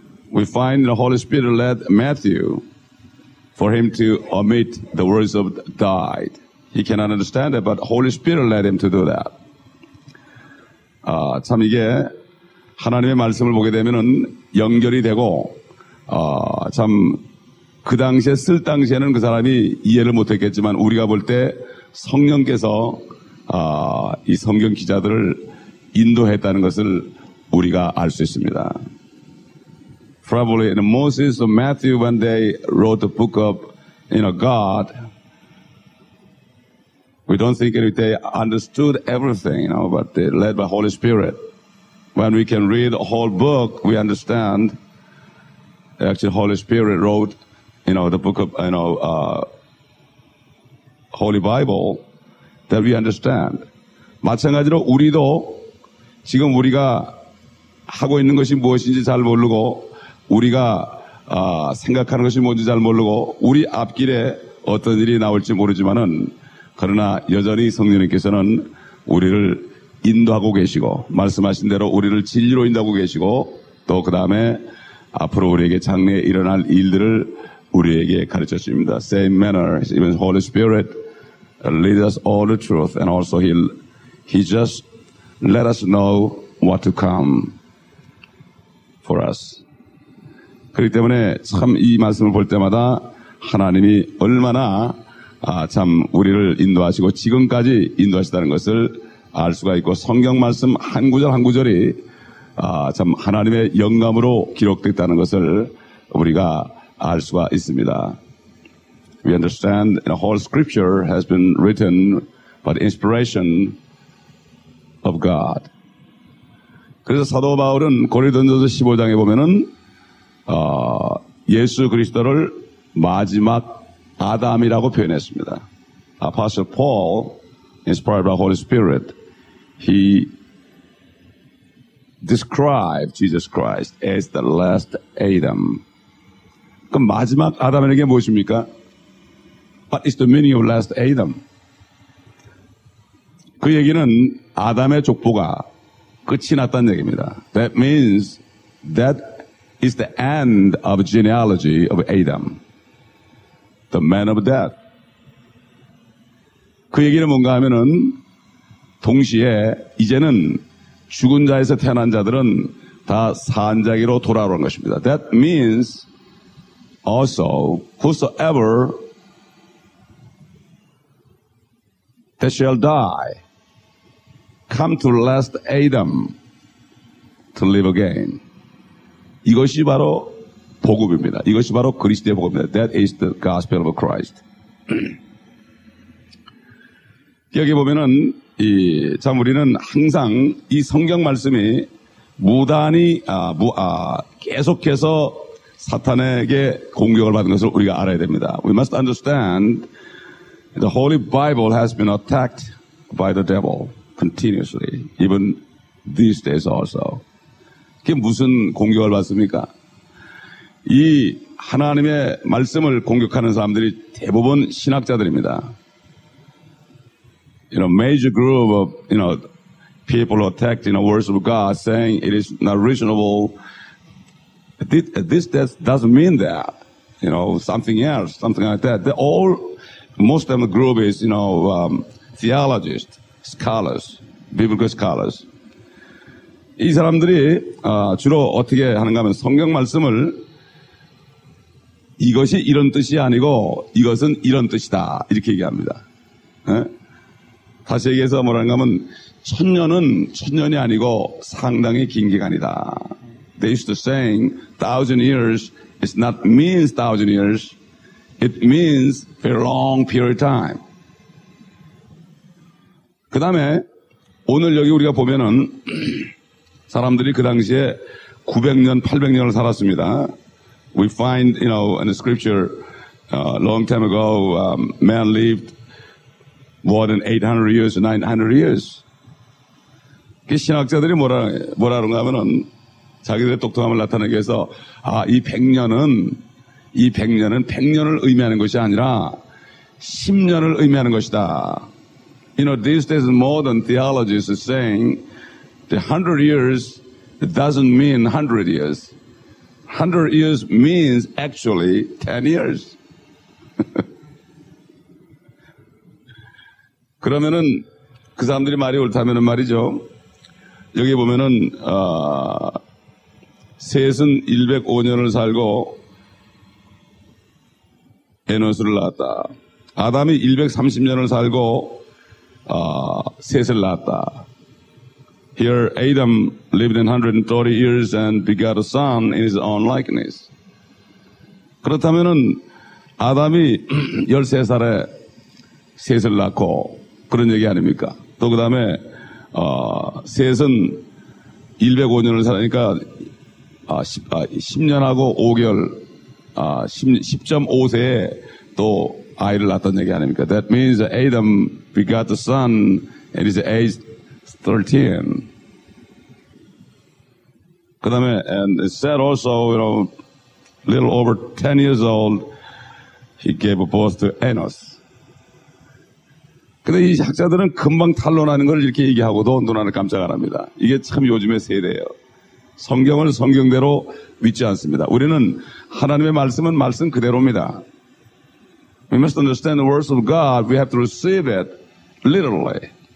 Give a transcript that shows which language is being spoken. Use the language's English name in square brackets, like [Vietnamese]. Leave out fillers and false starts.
[English] we find the Holy Spirit led Matthew for him to omit the words of died. He cannot understand it, but Holy Spirit led him to do that. [Korean] 참 이게 하나님의 말씀을 보게 되면은 연결이 되고 참 그 당시에 쓸 당시에는 그 사람이 이해를 못했겠지만 우리가 볼 때 성령께서 이 성경 기자들을 인도했다는 것을 우리가 알 수 있습니다. [English] Probably in Moses or Matthew when they wrote the book of God, we don't think that they understood everything, but they led by Holy Spirit. When we can read a whole book, we understand actually Holy Spirit wrote the book of Holy Bible that we understand. [Korean] 마찬가지로 우리도 지금 우리가 하고 있는 것이 무엇인지 잘 모르고 우리가 생각하는 것이 뭔지 잘 모르고 우리 앞길에 어떤 일이 나올지 모르지만은 그러나 여전히 성령님께서는 우리를 인도하고 계시고 말씀하신 대로 우리를 진리로 인도하고 계시고 또 그 다음에 앞으로 우리에게 장래에 일어날 일들을 우리에게 가르쳐 주십니다. [English] Same manner, even Holy Spirit leads us all the truth and also He just let us know what to come for us. [Korean] 그렇기 때문에 참 이 말씀을 볼 때마다 하나님이 얼마나 참 우리를 인도하시고 지금까지 인도하시다는 것을 알 수가 있고 성경 말씀 한 구절 한 구절이 참 하나님의 영감으로 기록됐다는 것을 우리가 알 수가 있습니다. [English] We understand the whole scripture has been written by the inspiration of God. [Korean] 그래서 사도 바울은 고린도전서 15장에 보면은 예수 그리스도를 마지막 아담이라고 표현했습니다. [English] Apostle Paul, inspired by Holy Spirit, he described Jesus Christ as the last Adam. [Korean] 그럼 마지막 아담이라는 게 무엇입니까? [English] What is the meaning of last Adam? [Korean] 그 얘기는 아담의 족보가 끝이 났다는 얘기입니다. [English] That means that is the end of genealogy of Adam, the man of death. [Korean] 그 얘기는 뭔가 하면은 동시에 이제는 죽은 자에서 태어난 자들은 다 산 자기로 돌아오는 것입니다. [English] That means also whosoever that shall die come to last Adam to live again. [Korean] 이것이 바로 복음입니다. 이것이 바로 그리스도의 복음입니다. [English] That is the gospel of Christ. [Korean] 여기 보면은 참 우리는 항상 이 성경 말씀이 무단히 계속해서 사탄에게 공격을 받는 것을 우리가 알아야 됩니다. [English] We must understand the Holy Bible has been attacked by the devil continuously, even these days also. [Korean] 그게 무슨 공격을 받습니까? 이 하나님의 말씀을 공격하는 사람들이 대부분 신학자들입니다. [English] Major group of, people attacked, words of God saying it is not reasonable. This doesn't mean that, something like that. Most of the group is, theologists, scholars, biblical scholars. [Korean] 이 사람들이 주로 어떻게 하는가 하면 성경 말씀을 이것이 이런 뜻이 아니고 이것은 이런 뜻이다 이렇게 얘기합니다. 네? 다시 얘기해서 뭐라는가 하면 천년은 천년이 아니고 상당히 긴 기간이다. [English] They used to saying thousand years is not means thousand years. It means for a long period of time. [Korean] 그 다음에 오늘 여기 우리가 보면은 사람들이 그 당시에 900년, 800년을 살았습니다. [English] We find, in the scripture, long time ago, man lived more than 800 years, 900 years. [Korean] 그 신학자들이 뭐라 그런가 하면은 자기들의 똑똑함을 나타내기 위해서 이 100년은 100년을 의미하는 것이 아니라 10년을 의미하는 것이다. [English] These days modern theologists are saying the 100 years doesn't mean 100 years. 100 years means actually 10 years. [Korean] 그러면은 그 사람들이 말이 옳다면은 말이죠. 여기 보면은 셋은 105년을 살고 에노스를 낳았다. 아담이 130년을 살고 셋을 낳았다. [English] Here Adam lived in 130 years and begot a son in his own likeness. [Korean] 그렇다면은 아담이 13살에 셋을 낳고 그런 얘기 아닙니까? 또 그 다음에 셋은 105년을 살으니까 10년하고 5개월 10.5세에 또 아이를 낳았던 얘기 아닙니까? [English] That means Adam begot a son at his age 13. [Korean] 그 다음에 [English] and Seth also, you know, little over 10 years old, he gave birth to Enos. [Korean] 근데 이 학자들은 금방 탄론하는 걸 이렇게 얘기하고도 눈알을 깜짝 안 합니다. 이게 참 요즘의 세대예요. 성경을 성경대로 믿지 않습니다. 우리는 하나님의 말씀은 말씀 그대로입니다. [English] We must understand the words of God. We have to receive it literally.